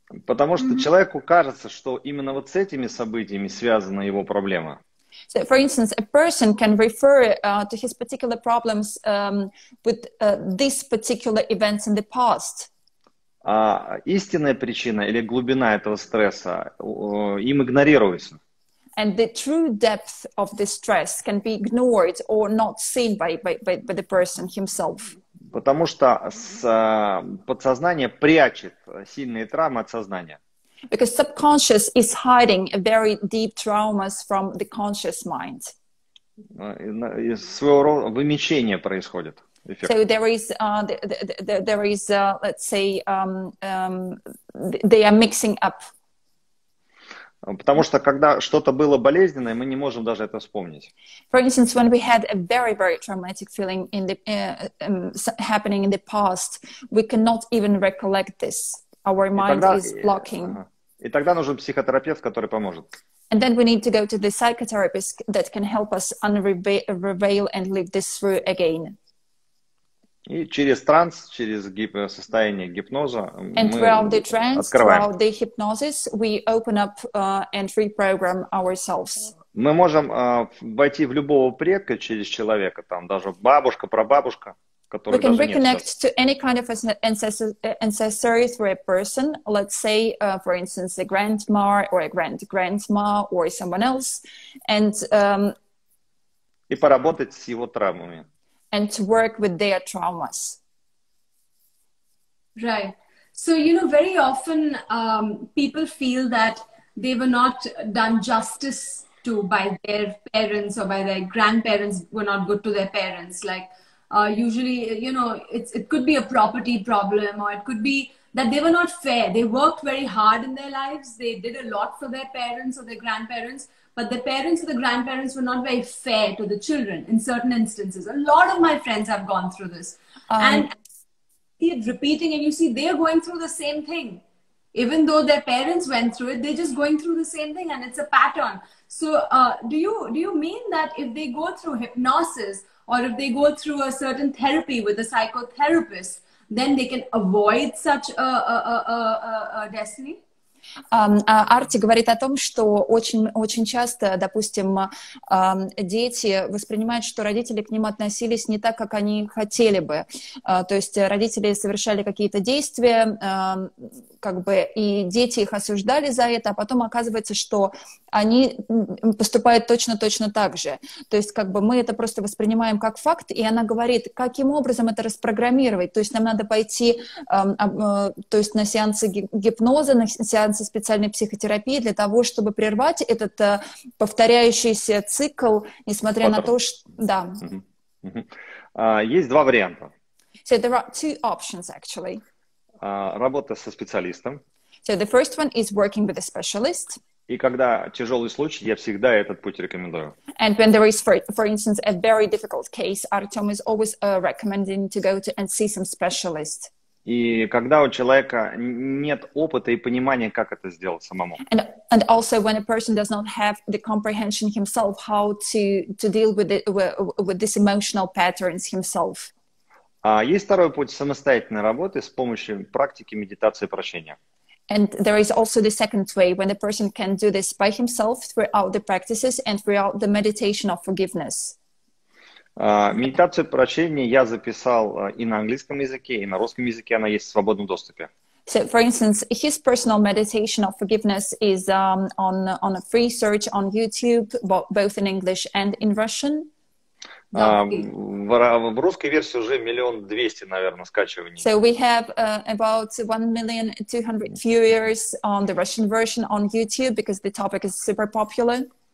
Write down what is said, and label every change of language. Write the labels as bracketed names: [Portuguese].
[Russian] Потому что человеку кажется, что именно вот с этими событиями связана его проблема. [English] So, for instance, a person can refer to his particular problems with these particular events in the past. [Russian] А истинная причина или глубина этого стресса им игнорируется. [English] And the true depth of the stress can be ignored or not seen by the person himself. [Russian] Потому что подсознание прячет сильные травмы от сознания. [English] Because subconscious is hiding very deep traumas from the conscious mind. [Russian] Своего рода вымещение происходит. [English] So they are mixing up. [Russian] Потому что когда что-то было болезненное, мы не можем даже это вспомнить. [English] For instance, when we had a very, very traumatic feeling in the happening in the past, we cannot even recollect this. Our mind is blocking. [Russian] И тогда нужен психотерапевт, который поможет. [English] And then we need to go to the psychotherapist that can help us unravel and live this through again. [Russian] И через транс, через состояние гипноза [English] and [Russian] мы [English] throughout the trance, [Russian] открываем. [English] Throughout the hypnosis, we open up and reprogram ourselves. [Russian] Мы можем войти в любого предка через человека, там даже бабушка, прабабушка, которой [English] we can [Russian] даже [English] reconnect [Russian] нет. [English] To any kind of ancestor through a person, let's say, for instance, a grandma or a grandma or someone else, and [Russian] и поработать с его травмами. [English] And to work with their traumas. Right. So, you know, very often people feel that they were not done justice to by their parents or by their grandparents were not good to their parents. Like usually, you know, it could be a property problem or it could be that they were not fair. They worked very hard in their lives. They did a lot for their parents or their grandparents. But the parents or the grandparents were not very fair to the children in certain instances. A lot of my friends have gone through this. And keep repeating, and you see, they are going through the same thing. Even though their parents went through it, they're just going through the same thing, and it's a pattern. So do you mean that if they go through hypnosis or if they go through a certain therapy with a psychotherapist, then they can avoid such a destiny? [Russian] Арти говорит о том, что очень-очень часто, допустим, дети воспринимают, что родители к ним относились не так, как они хотели бы. То есть родители совершали какие-то действия, как бы, и дети их осуждали за это, а потом оказывается, что они поступают точно-точно так же. То есть как бы мы это просто воспринимаем как факт, и она говорит, каким образом это распрограммировать. То есть нам надо пойти то есть на сеансы гипноза, на сеансы специальной психотерапии для того, чтобы прервать этот повторяющийся цикл, несмотря на то, что... Да. Есть два варианта. [English] So there are two options, actually. [Russian] Работа со специалистом. [English] So the first one is working with a specialist. [Russian] И когда тяжелый случай, я всегда этот путь рекомендую. [English] And when there is, for instance, a very difficult case, Artem is always recommending to go to and see some specialist. [Russian] И когда у человека нет опыта и понимания, как это сделать самому. [English] And also when a person does not have the comprehension himself how to deal with these emotional patterns himself. [Russian] Есть второй путь самостоятельной работы с помощью практики медитации и прощения. [English] And there is also the second way when a person can do this by himself throughout the practices and throughout the meditation of forgiveness. [Russian] Медитацию прощения я записал и на английском языке, и на русском языке, она есть в свободном доступе. [English] So, for instance, his personal meditation of forgiveness is on a free search on YouTube, both in English and in Russian. [Russian] В русской версии уже 1,200,000, наверное, скачиваний. [English] So we have about 1,200,000 viewers on the Russian version on YouTube because the topic is super popular.